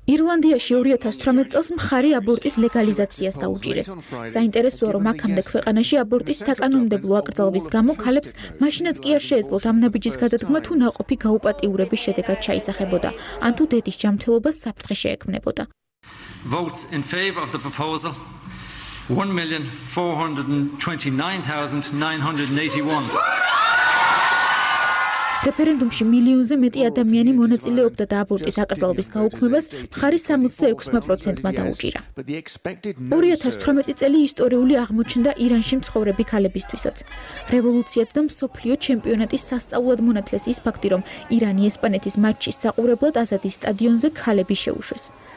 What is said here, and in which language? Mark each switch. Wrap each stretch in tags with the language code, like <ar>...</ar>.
<ka>ირლანდიაში 2018 წელს მხარი აბორტის ლეგალიზაციას დაუჭირეს. საინტერესოა, რომ აქამდე ქვეყანაში აბორტის საკანონმდებლო აკრძალვის გამო ქალებს მაშინაც კი არ შეეძლოთ ამ ნაბიჯის გადადგმა, თუ ნაყოფი გაუპატიურების შედეგად ჩაისახებოდა, ან თუ დედის ჯანმრთელობას საფრთხე შეექმნებოდა.</ka> <en>Votes in favor of the proposal 1,429,981.</en> <ka>რეფერენდუმში 1,000,000-ზე მეტი ადამიანი მონაწილეობდა და აბორტის აკრძალვის გაუქმებას მხარი 66%-მა დაუჭირა. 2018 წელი ისტორიული აღმოჩნდა ირანში მცხოვრები ქალებისთვისაც. რევოლუციად და მსოფლიო ჩემპიონატის სასწაულად მონათლეს ის ფაქტი, რომ ირანი ესპანეთის მატჩის საყურებლად აზადის სტადიონზე ქალები შეუშვეს.</ka>